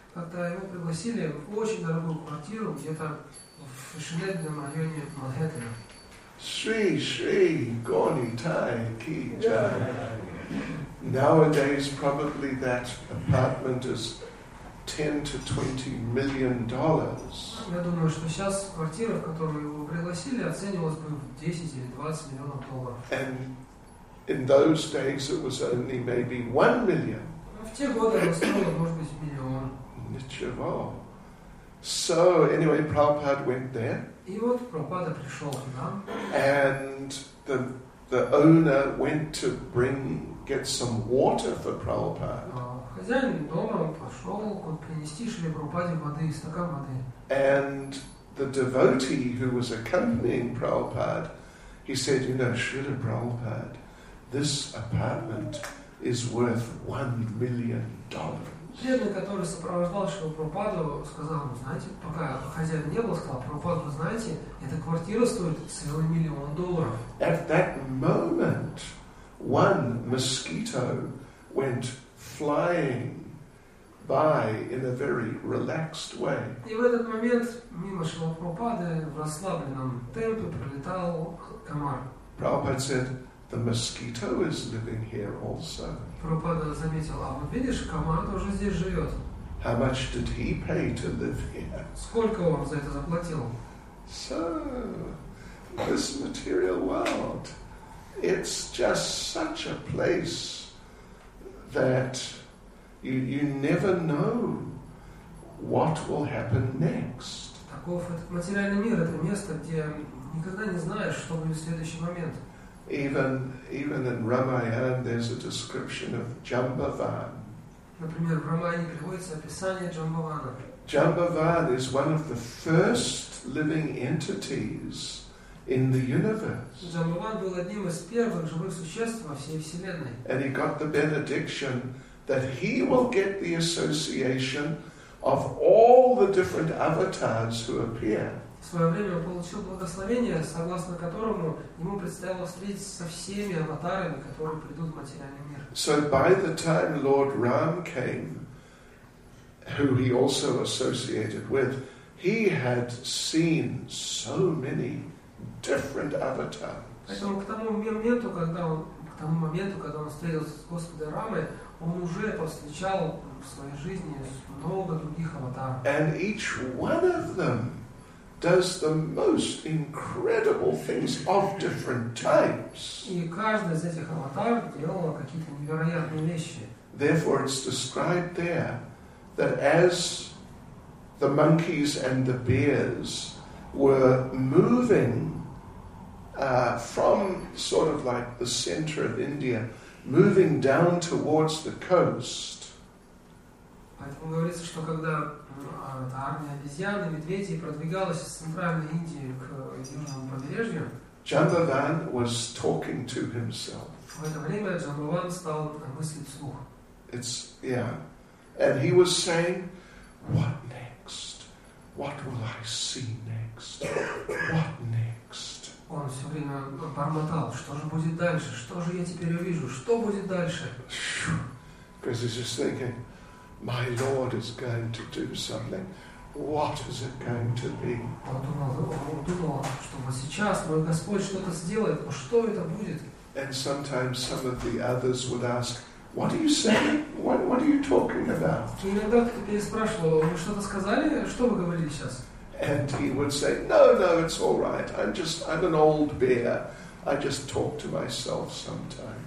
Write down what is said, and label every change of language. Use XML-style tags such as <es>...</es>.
<ru>Когда его пригласили в очень дорогую квартиру где-то в шинельном районе Манхэттена. Шри, Шри, Гони, Тай, Ки, Чай.</ru> <en>Nowadays, probably that apartment is $10 to $20 million.</en> <ru>Я думаю, что сейчас квартира, в которую его пригласили, оценивалась бы в 10 или 20 миллионов долларов.</ru> <en>And in those days, it was only maybe $1 million.</en> <ru>В те годы она стоила, может быть, миллион. Ничего.</ru> <en>So anyway, Prabhupada went there.</en> <ru>И вот Прабхупада пришел к нам.</ru> <en>And the owner went to get some water for Prabhupada.</en> <ru>Хозяин дома пошел принести Шри Прабхупаде воды, стакан воды.</ru> <en>And the devotee who was accompanying Prabhupada, he said, you know, Srila Prabhupada, this apartment is worth $1 million.</en> <ru>Преданный, который сопровождал Шрилу Прабхупаду, сказал ему, знаете, пока хозяин не был, сказал, Прабхупада, вы знаете, эта квартира стоит целый миллион долларов.</ru> <en>At that moment, one mosquito went flying by in a very relaxed way.</en> <ru>И в этот момент мимо Шрилы Прабхупады в расслабленном темпе пролетал комар.</ru> <en>Prabhupada said, the mosquito is living here also.</en> <ru>Прабхупада заметил, а вот видишь, комар тоже здесь живет.</ru> <en>How much did he pay to live here?</en> <ru>Сколько он за это заплатил?</ru> <en>So, this material world, it's just such a place that you never know what will happen next.</en> <ru>Таков этот материальный мир, это место, где никогда не знаешь, что будет в следующий момент.</ru> <en>Even in Ramayana, there's a description of Jambavan.</en> <ru>Например, в Рамаяне приводится описание Джамбавана.</ru> <en>Jambavan is one of the first living entities in the universe.</en> <ru>Джамбаван был одним из первых живых существ во всей вселенной.</ru> <en>And he got the benediction that he will get the association of all the different avatars who appear.</en> <ru>В свое время он получил благословение, согласно которому ему предстояло встретиться со всеми аватарами, которые придут в материальный мир.</ru> <en>So by the time Lord Ram came, who he also associated with, he had seen so many different avatars.</en> <ru>Поэтому к тому моменту, когда он встретился с Господом Рамой, он уже повстречал в своей жизни много других аватаров.</ru> <en>And each one of them does the most incredible things of different types.</en> <ru>И каждый из этих аватаров делал какие-то невероятные вещи.</ru> <en>Therefore, it's described there that as the monkeys and the bears were moving from sort of like the center of India, moving down towards the coast.</en> <ru>Поэтому говорится, что когда эта армия обезьян и медведей продвигалась из центральной Индии к южному побережью,</ru> <en>Jambavan was talking to himself.</en> <ru>В это время Jambavan стал мыслить вслух.</ru> <en>It's, yeah. And he was saying, what next? What will I see next? What next?</en> <ru>Он все время бормотал, что же будет дальше? Что же я теперь увижу? Что будет дальше?</ru> <en>Because he's just thinking, my Lord is going to do something. What is it going to be?</en> <ru>Он думал, что вот сейчас мой Господь что-то сделает, но что это будет?</ru> <en>And sometimes some of the others would ask, what are you saying? What are you talking about?</en> <ru>Иногда кто-то переспрашивал, вы что-то сказали? Что вы говорили сейчас?</ru> <en>And he would say, no, it's all right. I'm an old bear. I just talk to myself sometimes.</en>